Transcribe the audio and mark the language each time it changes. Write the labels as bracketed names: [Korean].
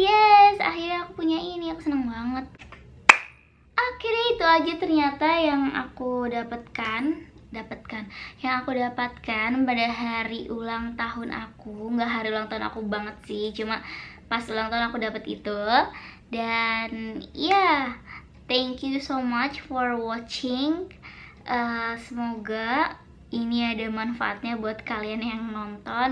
[Indonesian] Yes, akhirnya aku punya ini, aku seneng banget. Akhirnya itu aja ternyata yang aku dapatkan yang aku dapatkan pada hari ulang tahun aku. Gak hari ulang tahun aku banget sih, cuma pas ulang tahun aku dapat itu. [English] Dan ya, thank you so much for watching. [Indonesian] Semoga ini ada manfaatnya buat kalian yang nonton.